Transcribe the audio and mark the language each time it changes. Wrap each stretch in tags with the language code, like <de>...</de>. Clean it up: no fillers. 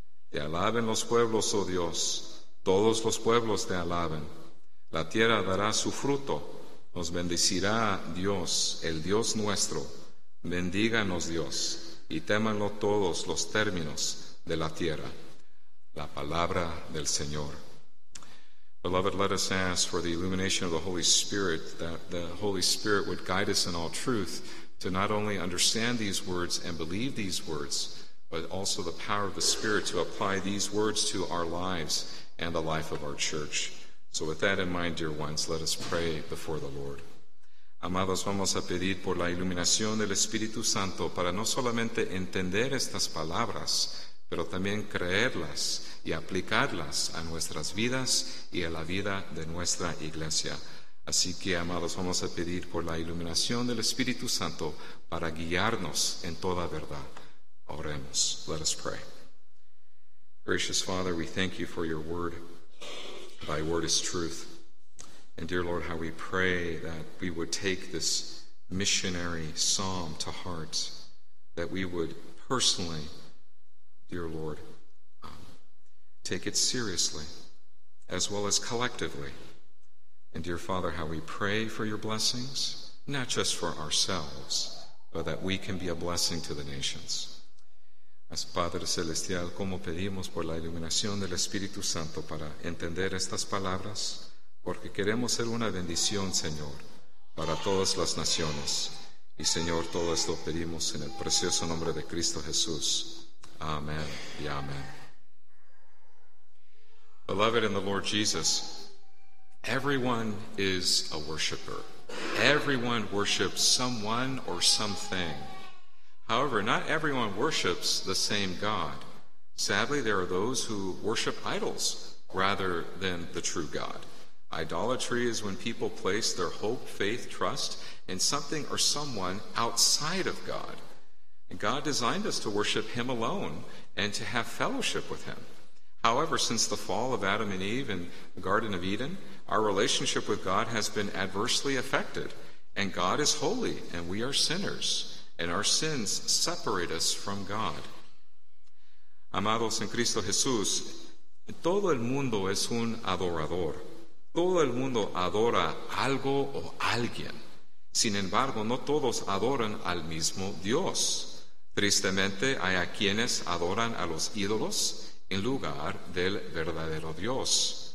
<es>Te alaben los pueblos, oh Dios, todos los pueblos te alaben. La tierra dará su fruto, nos bendecirá Dios, el Dios nuestro. Bendíganos, Dios, y témanlo todos los términos de la tierra. La palabra del Señor.</es> <en>Beloved, let us ask for the illumination of the Holy Spirit, that the Holy Spirit would guide us in all truth, to not only understand these words and believe these words, but also the power of the Spirit to apply these words to our lives and the life of our church. So with that in mind, dear ones, let us pray before the Lord.</en> <es>Amados, vamos a pedir por la iluminación del Espíritu Santo para no solamente entender estas palabras, pero también creerlas y aplicarlas a nuestras vidas y a la vida de nuestra iglesia. Así que, amados, vamos a pedir por la iluminación del Espíritu Santo para guiarnos en toda verdad. Oremos.</es> <en>Let us pray. Gracious Father, we thank you for your word. Thy word is truth. And dear Lord, how we pray that we would take this missionary psalm to heart, that we would personally, dear Lord, take it seriously, as well as collectively. And dear Father, how we pray for your blessings, not just for ourselves, but that we can be a blessing to the nations.</en> <es>As Padre Celestial, como pedimos por la iluminación del Espíritu Santo para entender estas palabras, porque queremos ser una bendición, Señor, para todas las naciones. Y Señor, todo esto pedimos en el precioso nombre de Cristo Jesús. Amen y amen.</es> <en>Beloved in the Lord Jesus, everyone is a worshiper. Everyone worships someone or something. However, not everyone worships the same God. Sadly, there are those who worship idols rather than the true God. Idolatry is when people place their hope, faith, trust in something or someone outside of God. And God designed us to worship Him alone and to have fellowship with Him. However, since the fall of Adam and Eve in the Garden of Eden, our relationship with God has been adversely affected. And God is holy, and we are sinners, and our sins separate us from God.</en> <es>Amados en Cristo Jesús, todo el mundo es un adorador. Todo el mundo adora algo o alguien. Sin embargo, no todos adoran al mismo Dios. Tristemente, hay a quienes adoran a los ídolos en lugar del verdadero Dios.</es>